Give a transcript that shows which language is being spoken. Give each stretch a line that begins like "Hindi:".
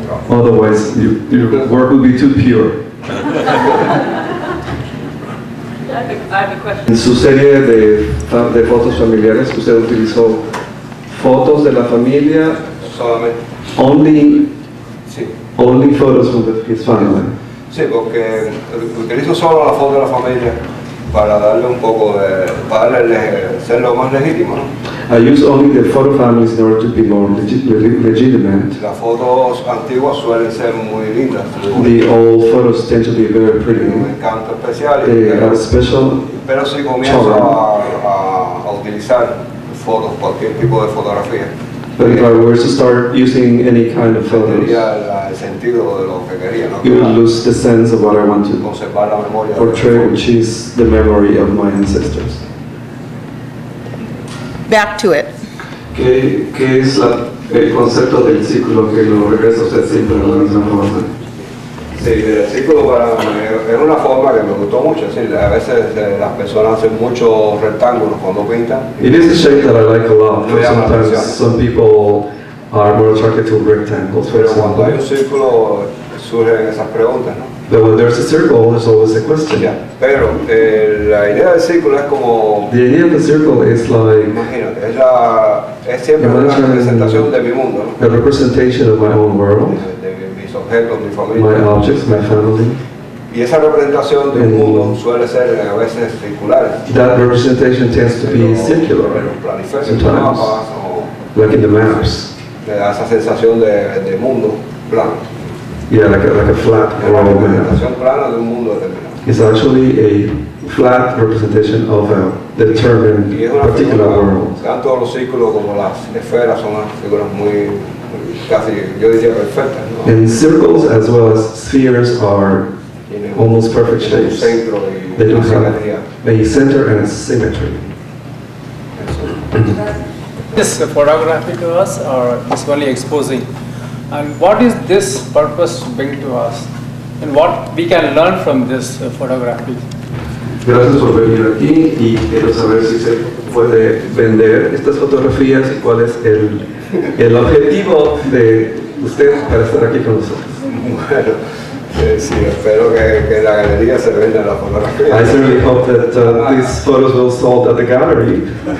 English: Otherwise, your work would be too pure.
Spanish: En su serie de fotos familiares, usted utilizó fotos de la familia.
English: Only photos from his family.
Spanish: Sí, porque utilizo solo la foto de la familia para darle un poco de, para darle ser lo más legítimo, ¿no?
English: I use only the photo families in order to be more legitimate.
Spanish: Las fotos antiguas suelen ser muy lindas.
English: The old photos tend to be very pretty.
Spanish: Un encanto especial. Pero si comienzo a utilizar fotos, cualquier tipo de fotografía.
English: But if I were to start using any kind of photos,
Spanish: el sentido de lo que quería, no,
English: you would lose the sense of what I want to portray, which is the memory of my ancestors. Back to it.
Spanish: ¿Qué es el concepto del ciclo que lo regresa usted siempre a la misma forma? Sí, el ciclo es una forma que me gustó mucho. Sí, a veces las personas hacen muchos rectángulos cuando pintan.
English: It is a shape that I like a lot. But sometimes some people are more attracted to rectangles.
Spanish: Pero cuando hay un círculo surgen esas preguntas, ¿no?
English: But when there's a circle, there's always a question. Yeah.
Spanish: Pero la idea del círculo es como.
English: The idea of the circle is like.
Spanish: Imagínate, es siempre una representación de mi mundo.
English: A representation of my own world.
Spanish: De mis objetos, mi familia.
English: My objects, my family.
Spanish: Y esa representación del mundo suele ser a veces circular.
English: That representation tends to be circular, sometimes, like in the maps.
Spanish: Esa sensación de mundo plano.
English: Yeah, like a flat global map.
Spanish: Representación plana de un mundo determinado.
English: It's actually a flat representation of a determined particular world.
Spanish: Tanto los círculos como las esferas son figuras muy casi, yo diría perfectas.
English: And circles as well as spheres are almost perfect shapes. They don't have a center and a symmetry. This photography to us, or this only exposing, and what is this purpose bring to us, and what we can learn from this photography?
Spanish: Gracias por venir aquí y quiero saber si se puede vender estas fotografías y cuál es el objetivo de usted para estar aquí con nosotros. Bueno, sí, espero que la galería se venda la fotografía.
English: I certainly hope that these photos will sold at the gallery.